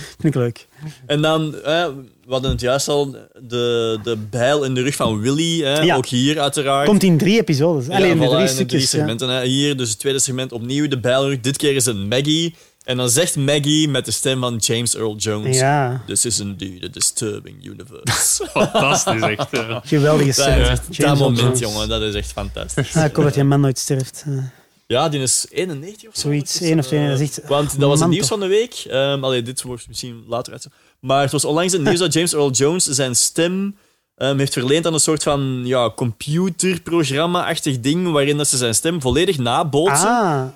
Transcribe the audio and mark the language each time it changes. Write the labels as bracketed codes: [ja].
[nl] Vind ik leuk. En dan, we hadden het juist al, de bijl in de rug van Willy, ook hier uiteraard. Komt in drie episodes. Alleen in drie stukjes. Drie segmenten, hier, dus het tweede segment opnieuw, de bijl in de rug. Dit keer is het Maggie. En dan zegt Maggie met de stem van James Earl Jones... [en] This is indeed a disturbing universe. [nl] Fantastisch, echt. Geweldige stem. Dat moment, jongen, dat is echt fantastisch. Ik hoop dat je man nooit sterft. Ja, die is 91 of zo. Zoiets, 1 of 2. Want dat was het nieuws van de week. Dit wordt misschien later uit. Maar het was onlangs het nieuws dat James Earl Jones zijn stem... heeft verleend aan een soort van computerprogramma-achtig ding waarin dat ze zijn stem volledig nabootsen